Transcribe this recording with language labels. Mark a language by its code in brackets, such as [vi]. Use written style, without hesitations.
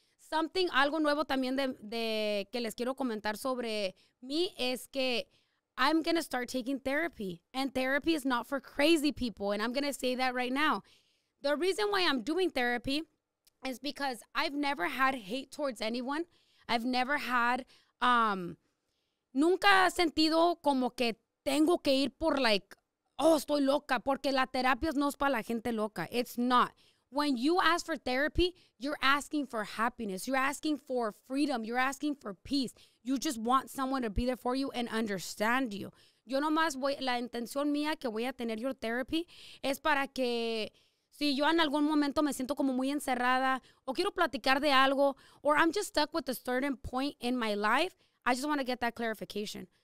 [es] Something, algo nuevo también de que les quiero comentar sobre mí es que [en] I'm going to start taking therapy. And therapy is not for crazy people. And I'm going to say that right now. The reason why I'm doing therapy is because I've never had hate towards anyone. I've never had, [es] nunca sentido como que tengo que ir por like, oh, estoy loca, porque la terapia no es para la gente loca. [en] It's not. When you ask for therapy, you're asking for happiness. You're asking for freedom. You're asking for peace. You just want someone to be there for you and understand you. [es] Yo nomás voy, la intención mía que voy a tener [en] your therapy [es] es para que si yo en algún momento me siento como muy encerrada o quiero platicar de algo [en] or I'm just stuck with a certain point in my life, I just want to get that clarification.